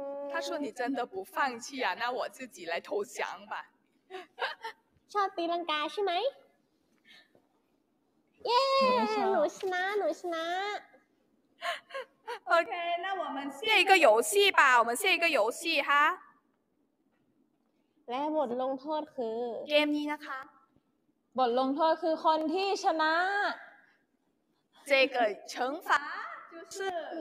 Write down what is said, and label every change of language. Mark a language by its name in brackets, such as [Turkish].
[Chinese] 他说你真的不放弃啊那我自己来投降吧 [Thai] ชอบตีลังกาใช่ไหมเย้หนูชนะหนูชนะ [Chinese] OK， 那我们下一个游戏吧，我们下一个游戏哈。 [Thai] 来，บทลงโทษคือ เกมนี้นะคะ。 บทลงโทษคือคนที่ชนะ。 [Chinese] 这个惩罚就是